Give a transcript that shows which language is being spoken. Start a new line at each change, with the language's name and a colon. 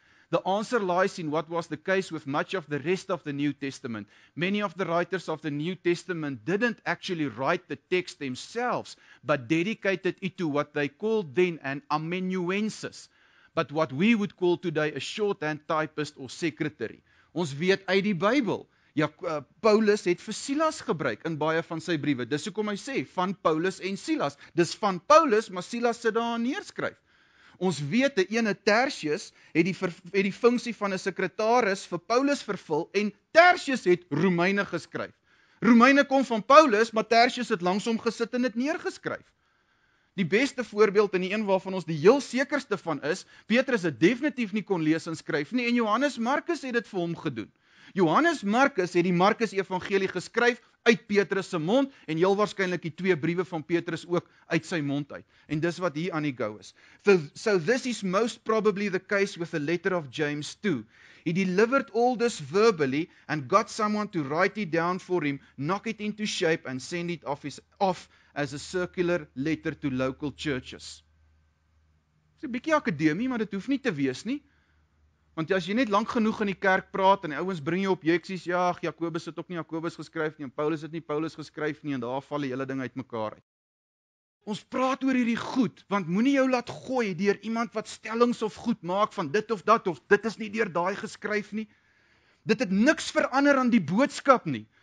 English: The answer lies in what was the case with much of the rest of the New Testament. Many of the writers of the New Testament didn't actually write the text themselves, but dedicated it to what they called then an amanuensis, but what we would call today a shorthand typist or secretary.
Afrikaans: Ons weet uit die Bybel, ja, Paulus het vir Silas gebruik in baie van sy briewe. Dis hoekom hy sê, van Paulus en Silas. Dis van Paulus, maar Silas sit daar neerskryf. Ons weet, die ene Tertius het die funksie van een sekretaris vir Paulus vervul, en Tertius het Romeine geskryf. Romeine kom van Paulus, maar Tertius het langsom gesit en het neergeskryf. Die beste voorbeeld, en die een waarvan ons die heel sekerste van is, Petrus het definitief nie kon lees en skryf nie, en Johannes Markus het dit vir hom gedoen. Johannes Markus het die Markus evangelie geskryf uit Petrus se mond, en heel waarskynlik die 2 briewe van Petrus ook uit sy mond uit. En dis wat hier aan die gou is.
English: So this is most probably the case with the letter of James 2. He delivered all this verbally and got someone to write it down for him, knock it into shape and send it off as a circular letter to local churches.
Afrikaans: Dis 'n bietjie akademie, maar dit hoef nie te wees nie. Want as jy net lang genoeg in die kerk praat, en die ouwens bring jy objecties, ja, Jacobus het ook nie Jacobus geskryf nie, en Paulus het nie Paulus geskryf nie, en daar val die hele ding uit mekaar uit. Ons praat oor hierdie goed, want moet nie jou laat gooi dier iemand wat stellings of goed maak van dit of dat, of dit is nie dier daai geskryf nie. Dit het niks verander aan die boodskap nie.